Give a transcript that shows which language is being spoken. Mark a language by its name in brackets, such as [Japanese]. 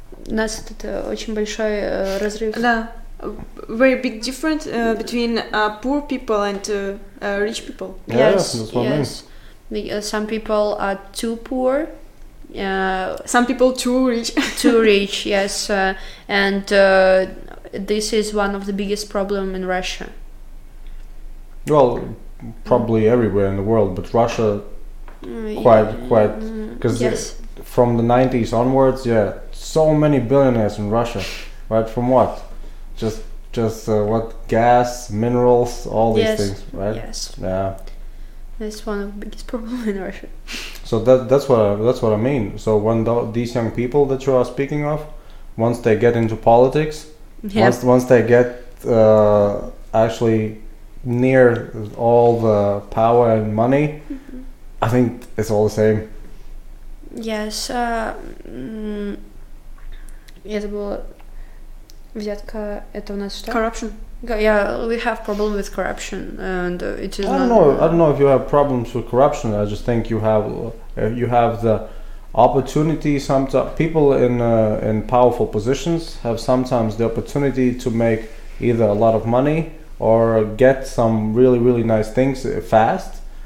[Russian] У нас тут очень большой разрыв. Да. [English] Very big difference between poor people and rich people. Yes. Some people are too poor. Some people too rich. Too rich, yes. And this is one of the biggest problems in Russia. Well, probably everywhere in the world, but Russia quite. Cause yes. From the 90s onwards, yeah, so many billionaires in Russia, right? From what? Just what? Gas, minerals, all these yes. things, right? Yes. Yeah. That's one of the biggest problems in Russia. So that's what I mean. So when these young people that you are speaking of, once they get into politics, yes. once they get actually near all the power and money, mm-hmm. I think it's all the same. Yes, [Russian] это было взятка, это у нас что? [English] Corruption. We have problem with corruption, and it is. I don't know if you have problems with corruption. I just think you have the opportunity. Sometimes people in powerful positions have sometimes the opportunity to make either a lot of money or get some really really nice things fast,